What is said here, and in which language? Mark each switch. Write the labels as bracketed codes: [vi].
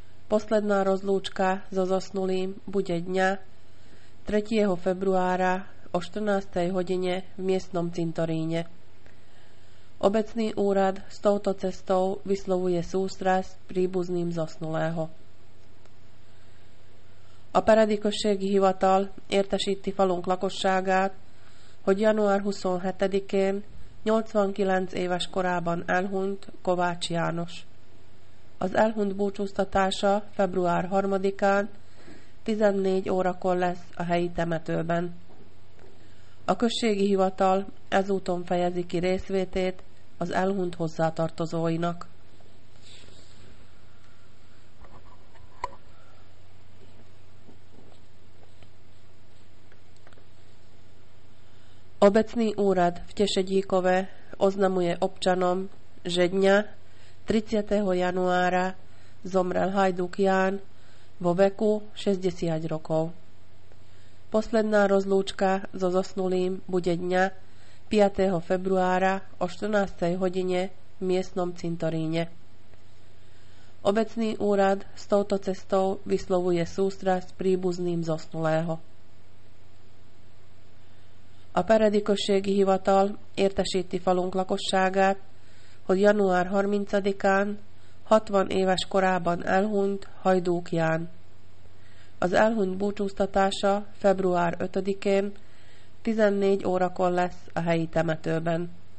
[sk] Posledná rozlúčka so zosnulým bude dňa 3. februára o 14. hodine v miestnom cintoríne. Obecný úrad s touto cestou vyslovuje sústrasť príbuzným zosnulého. [hu] A paradikosségi hivatal értesíti falunk lakosságát, hogy január 27-én 89 éves korában elhunyt Kovács János. Az elhunyt búcsúztatása február 3-án 14 órakor lesz a helyi temetőben. A községi hivatal ezúton fejezi ki részvétét az elhunyt hozzátartozóinak. [sk] Obecný úrad v Tešedíkove oznamuje občanom, že dňa 30. januára zomrel Hajduk Ján vo veku 60 rokov. Posledná rozlúčka so zosnulým bude dňa 5. februára o 14. hodine v miestnom cintoríne. Obecný úrad s touto cestou vyslovuje sústrasť príbuzným zosnulého. [hu] A paradikosségi hivatal értesíti falunk lakosságát, hogy január 30-án 60 éves korában elhunyt Hajduk Ján. Az elhunyt búcsúztatása február 5-én 14 órakor lesz a helyi temetőben.